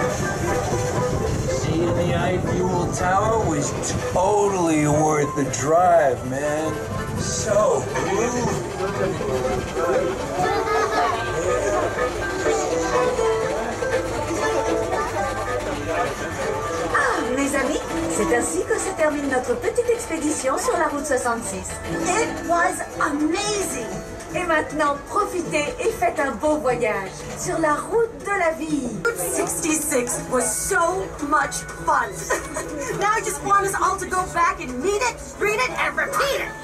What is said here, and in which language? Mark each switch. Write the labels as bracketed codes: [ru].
[en] Eiffel Tower was totally worth the drive, man. So cool. [fr] Ah, mes amis, c'est ainsi que se termine notre petite expédition sur la route 66. [en] It was amazing. [fr] Et maintenant, profitez et faites un beau voyage sur la route de la vie. [en] Route 66 was so much fun. Now I just want us all to go back and read it, read it, and repeat it.